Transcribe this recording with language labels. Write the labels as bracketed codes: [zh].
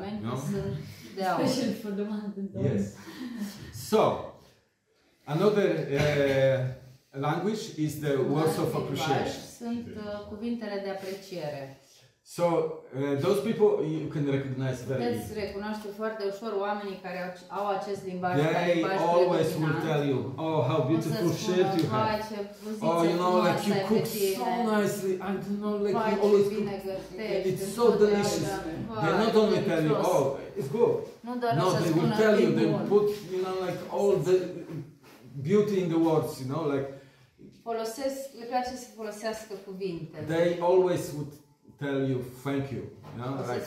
[en] no? Especially for the ones that don't. Yes. So, another language is the words of appreciation. [ro] Sunt cuvintele de apreciere. [en] So, those people you can recognize very easily. [ro] Puteți recunoaște foarte ușor oamenii care au acest limbaj. [en] They always will tell you, oh, how beautiful shirt you have. Oh, you know, like you cook so nicely. I don't know, like you always cook. It's so delicious. They not only tell you, oh, it's good. No, they will tell you, they put, you know, like all the beauty in the words, you know, like [ro] folosesc, le place să folosească cuvinte. [en] They always would tell you thank you, you know, right?